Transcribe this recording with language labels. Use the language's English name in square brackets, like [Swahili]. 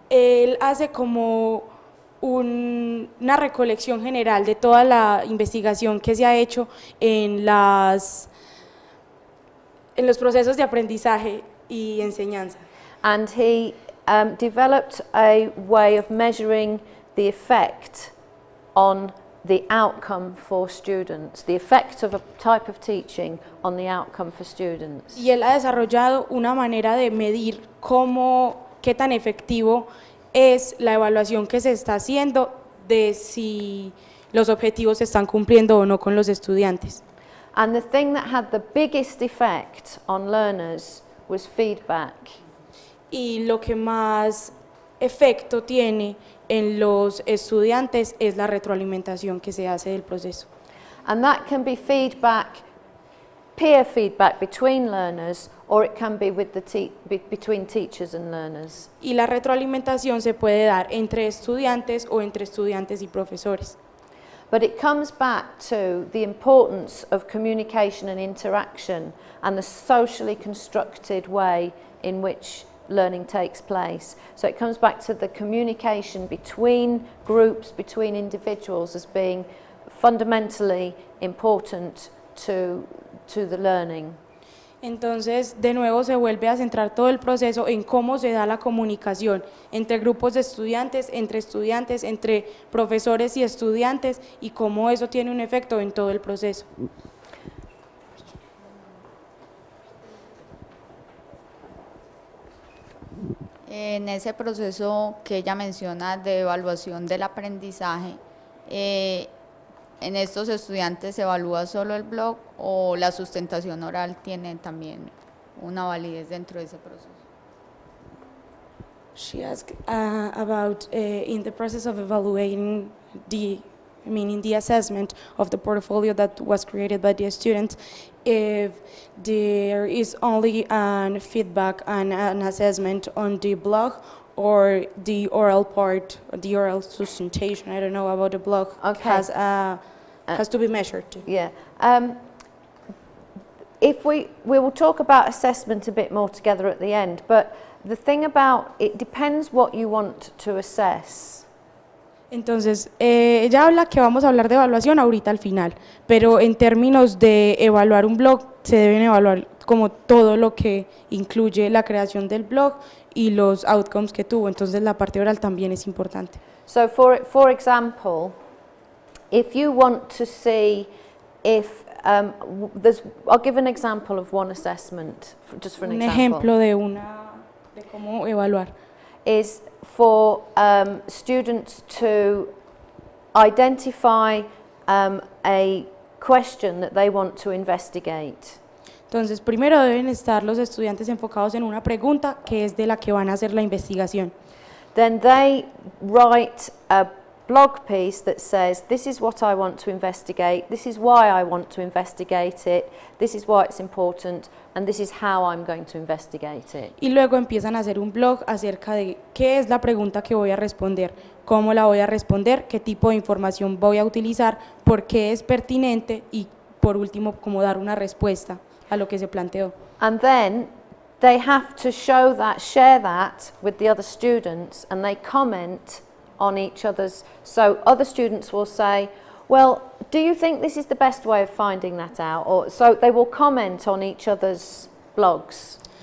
[Spanish] Él hace como una recolección general de toda la investigación que se ha hecho en los procesos de aprendizaje y enseñanza. [English] And he developed a way of measuring the effect on the outcome for students, the effect of a type of teaching on the outcome for students. [Spanish] Y él ha desarrollado una manera de medir cómo, qué tan efectivo es la evaluación que se está haciendo de si los objetivos se están cumpliendo o no con los estudiantes. [English] And the thing that had the biggest effect on learners was feedback. [Spanish] Y lo que más efecto tiene en los estudiantes es la retroalimentación que se hace del proceso. [English] And that can be feedback, peer feedback between learners, or it can be with the between teachers and learners. [Spanish] Y la retroalimentación se puede dar entre estudiantes o entre estudiantes y profesores. [English] But it comes back to the importance of communication and interaction and the socially constructed way in which learning takes place. So it comes back to the communication between groups, between individuals, as being fundamentally important to the learning. [Spanish] Entonces, de nuevo se vuelve a centrar todo el proceso en cómo se da la comunicación entre grupos de estudiantes, entre profesores y estudiantes, y cómo eso tiene un efecto en todo el proceso. En ese proceso que ella menciona de evaluación del aprendizaje, ¿en estos estudiantes se evalúa solo el blog o la sustentación oral tiene también una validez dentro de ese proceso? [English] She asked about in the process of evaluating the assessment of the portfolio that was created by the students, if there is only a feedback and an assessment on the blog or the oral part, the oral sustentation, I don't know about the blog, okay. Has to be measured. Yeah. If we will talk about assessment a bit more together at the end, but the thing about it depends what you want to assess. [Spanish] Entonces, ella habla que vamos a hablar de evaluación ahorita al final, pero en términos de evaluar un blog, se deben evaluar como todo lo que incluye la creación del blog y los outcomes que tuvo. Entonces, la parte oral también es importante. [English] So, for example, if you want to see if I'll give an example of one assessment, just for an example. [Spanish] Un ejemplo de una, de cómo evaluar. [English] Is for students to identify a question that they want to investigate. [Spanish] Entonces, primero deben estar los estudiantes enfocados en una pregunta que es de la que van a hacer la investigación. [English] Then they write a blog piece that says, this is what I want to investigate, this is why I want to investigate it, this is why it's important, and this is how I'm going to investigate it. [Spanish] Y luego empiezan a hacer un blog acerca de qué es la pregunta que voy a responder, cómo la voy a responder, qué tipo de información voy a utilizar, por qué es pertinente y por último cómo dar una respuesta a lo que se planteó. [English] And then they have to show that, share that with the other students, and they comment on each other's. So other students will say, well, do you think this is the best way of finding that out? Or so they will comment on each other's blogs.